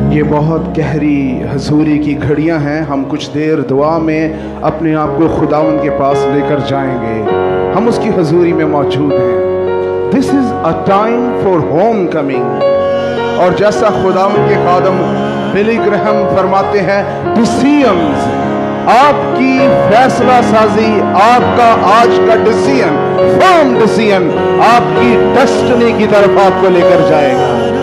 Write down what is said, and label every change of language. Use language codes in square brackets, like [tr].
[ur] بہت گہری حضوری کی گھڑیاں ہیں، ہم کچھ دیر دعا میں اپنے آپ کو خداوند کے پاس لے کر جائیں گے، ہم اس کی حضوری میں موجود ہیں. [en] This is a time for homecoming. [ur] اور جیسا خداوند کے خادم بلی گرہم فرماتے ہیں، decisions، آپ کی فیصلہ سازی، آپ کا آج کا decision، firm decision آپ کی destiny کی طرف آپ کو لے کر جائے گا.